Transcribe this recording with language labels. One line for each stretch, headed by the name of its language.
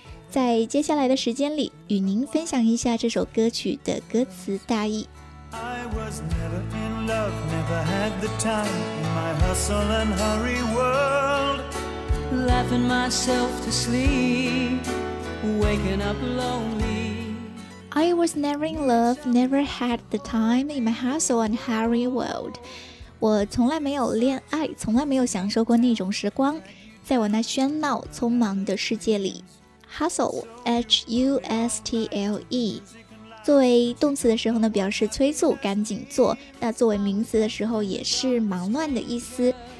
Chinese: 在接下来的时间里与您分享一下这首歌曲的歌词大意。
English: I was never in love, never had the time in my hustle and hurry world, laughing myself to sleep, waking up lonely I was never in love, never had the time in my hustle and hurry world.
Chinese: 我从来没有恋爱，从来没有享受过那种时光，在我那喧闹匆忙的世界里。 Hustle, H-U-S-T-L-E， 作为动词的时候呢，表示催促赶紧做，那作为名词的时候也是忙乱的意思。